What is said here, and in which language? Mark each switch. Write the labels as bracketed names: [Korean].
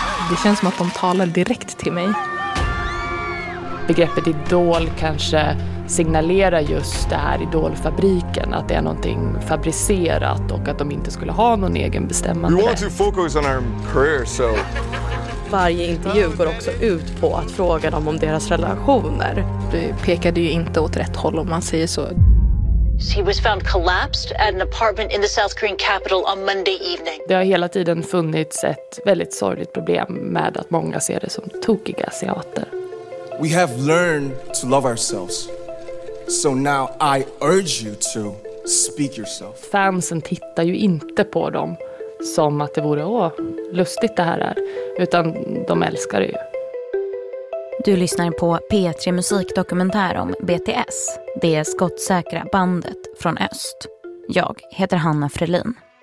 [Swedish] Det känns som att de talar direkt till mig. Begreppet idol kanske signalerar just det här idolfabriken, att det är någonting fabricerat och att de inte skulle ha någon egen bestämmande. [English] We want to focus on our career, so. [Swedish] Varje intervju går också ut på att fråga dem om deras relationer. Du pekade ju inte åt rätt håll om man säger så. [English] He was found collapsed at an apartment in the South Korean capital on Monday evening. [Swedish] Det har hela tiden funnits ett väldigt sorgligt problem med att många ser det som tokiga asiater. [English] We have learned to love ourselves. So now I urge you to speak yourself. [Swedish] Fansen tittar ju inte på dem som att det vore lustigt det här är, utan de älskar det ju. Du lyssnar på P3 musikdokumentär om BTS, det skottsäkra bandet från öst. Jag heter Hanna Frelin.